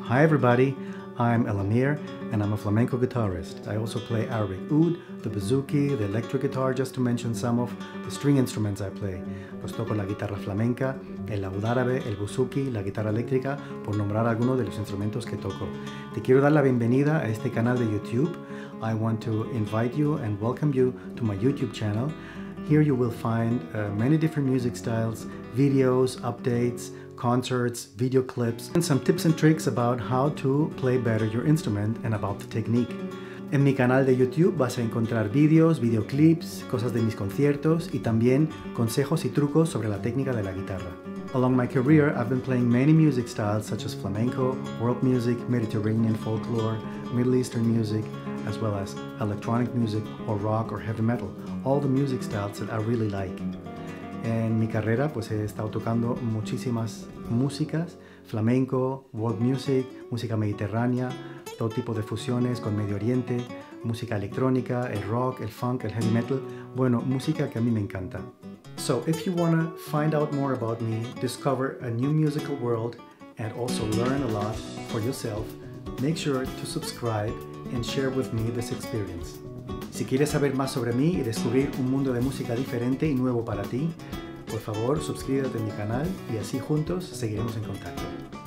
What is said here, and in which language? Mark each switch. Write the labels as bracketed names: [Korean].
[English] Hi everybody, I'm Elamir and I'm a flamenco guitarist. I also play Arabic oud, the bouzouki, the electric guitar, just to mention some of the string instruments I play. [Spanish] Pues toco la guitarra flamenca, el oud árabe, el bouzouki, la guitarra eléctrica, por nombrar algunos de los instrumentos que toco. Te quiero dar la bienvenida a este canal de YouTube. [English] I want to invite you and welcome you to my YouTube channel. Here you will find many different music styles, videos, updates, concerts, video clips, and some tips and tricks about how to play better your instrument and about the technique. [Spanish] En mi canal de YouTube vas a encontrar videos, videoclips, cosas de mis conciertos y también consejos y trucos sobre la técnica de la guitarra. [English] Along my career, I've been playing many music styles such as flamenco, world music, Mediterranean folklore, Middle Eastern music, as well as electronic music or rock or heavy metal. All the music styles that I really like. [Spanish] En mi carrera, pues he estado tocando muchísimas músicas, flamenco, world music, música mediterránea, todo tipo de fusiones con Medio Oriente, música electrónica, el rock, el funk, el heavy metal, bueno, música que a mí me encanta. [English] So, if you wanna find out more about me, discover a new musical world, and also learn a lot for yourself, make sure to subscribe and share with me this experience. [Spanish] Si quieres saber más sobre mí y descubrir un mundo de música diferente y nuevo para ti, por favor, suscríbete a mi canal y así juntos seguiremos en contacto.